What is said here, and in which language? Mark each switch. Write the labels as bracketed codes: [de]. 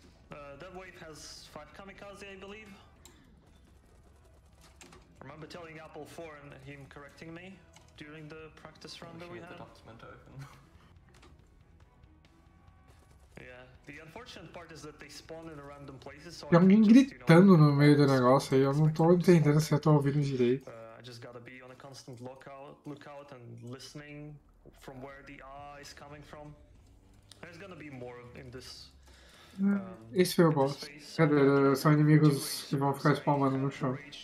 [en] That wave has 5 kamikaze, I believe. I remember telling Apple 4 and him correcting me during the practice round that we had. The document open. Yeah, the unfortunate part is that they spawn in random places, so [pt] tem alguém gritando no meio do negócio aí, eu não tô entendendo se eu tô ouvindo direito. [en] I just gotta be on a constant lookout and listening from where the eye is coming from. There's gonna be more in this. [pt] Esse foi o boss. Cadê? São inimigos que vão ficar spawnando no chão.